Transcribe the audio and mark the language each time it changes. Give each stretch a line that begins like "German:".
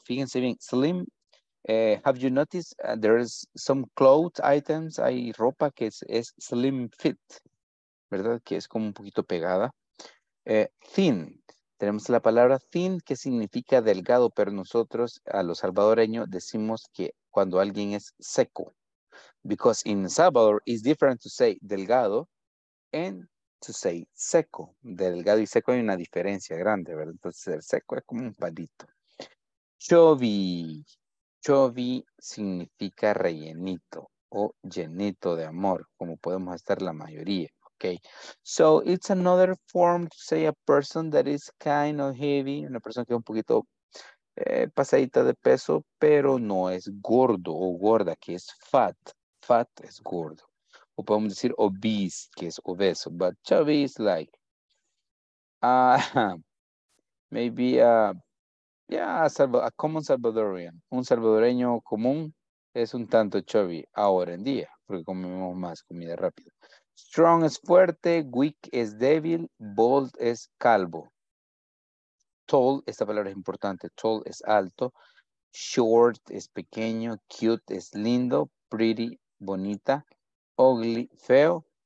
Spanish: Fíjense bien,
English: slim. Have you noticed there is some clothes items,
Spanish: hay ropa que es slim fit, ¿verdad? Que es como un poquito pegada. Thin. Tenemos la palabra thin que significa delgado, pero nosotros a los salvadoreños decimos que cuando alguien es seco.
English: Because in Salvador, it's different to say delgado and to say seco.
Spanish: Delgado y seco hay una diferencia grande, ¿verdad? Entonces, el seco es como un palito. Chubby. Chubby significa rellenito o llenito de amor, como podemos estar la mayoría.
English: Okay, so it's another form to say a person that is kind of heavy,
Spanish: una persona que es un poquito pasadita de peso, pero no es gordo o gorda, que es fat. Fat es gordo. O podemos decir obese, que es obeso.
English: But chubby is like, maybe, a common Salvadorian.
Spanish: Un salvadoreño común es un tanto chubby ahora en día, porque comemos más comida rápida. Strong es fuerte, weak es débil, bold es calvo. Tall, esta palabra es importante, tall es alto. Short es pequeño, cute es lindo, pretty, bonita, ugly, feo.